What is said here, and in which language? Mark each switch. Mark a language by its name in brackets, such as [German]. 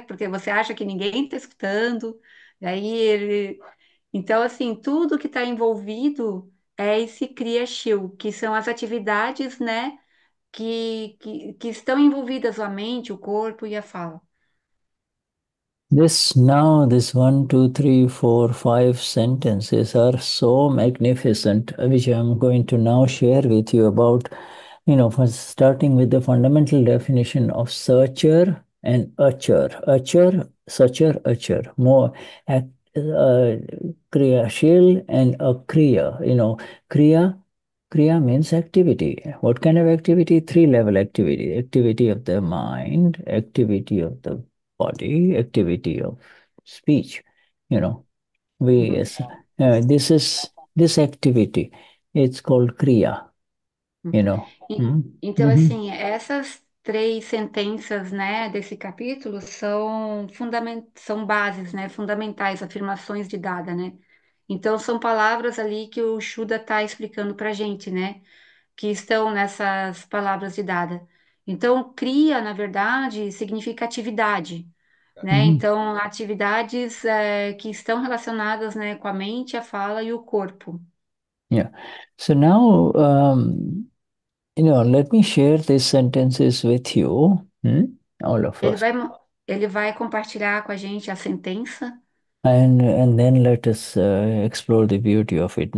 [Portuguese] Porque você acha que ninguém está escutando. Daí ele. Então, assim, tudo que está envolvido é esse Kriyashil, que são as atividades, né, que estão envolvidas a mente, o corpo e a fala. [English] This now, this 1, 2, 3, 4, 5 sentences are so magnificent, which I'm going to now share with you about, for starting with the fundamental definition of searcher and archer. Archer, searcher, archer. More Kriyashil and Akriya. Kriya means activity. What kind of activity? Three-level activity. Activity of the mind, activity of the body, activity of speech. We as this is this activity, it's called Kriya. [Portuguese] Então, assim, essas três sentenças, né, desse capítulo são bases, né, fundamentais, afirmações de Dada, né? Então, são palavras ali que o Shuda está explicando para a gente, né, que estão nessas palavras de Dada. Então, Kriya, na verdade, significa atividade. Né? Então, atividades que estão relacionadas, né, com a mente, a fala e o corpo. [English] So now, let me share these sentences with you, all of [Portuguese] Ele [English] us. [Portuguese] vai compartilhar com a gente a sentença. [English] And then let us explore the beauty of it.